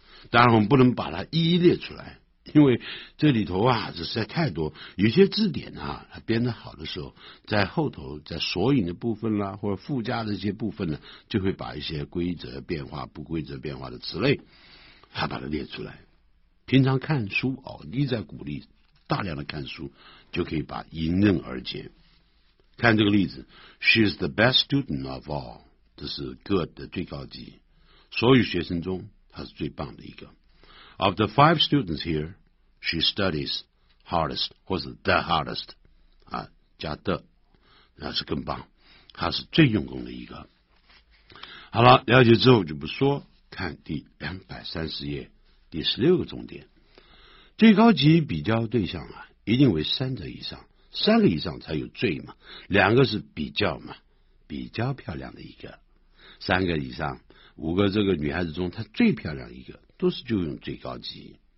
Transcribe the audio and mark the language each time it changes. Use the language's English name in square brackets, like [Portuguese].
[Chinese] 当然我们不能把它一一列出来，因为这里头啊实在太多，有些字典啊它编得好的时候，在后头在索引的部分啦，或者附加的一些部分呢，就会把一些规则变化不规则变化的词类它把它列出来。平常看书哦，一再鼓励大量的看书，就可以把迎刃而解。看这个例子， [English] She is the best student of all， [Chinese] 这是 good 的最高级，所有学生中她是最棒的一个。 [English] Of the five students here， She studies hardest， 或是 the hardest [Chinese] 啊，加 [English] the [Chinese] 那是更棒，她是最用功的一个。好了，了解之后就不说，看第230页第16个重点。最高级比较对象啊，一定为三者以上，三个以上才有最嘛，两个是比较嘛，比较漂亮的一个，三个以上，五个这个女孩子中她最漂亮一个，都是就用最高级。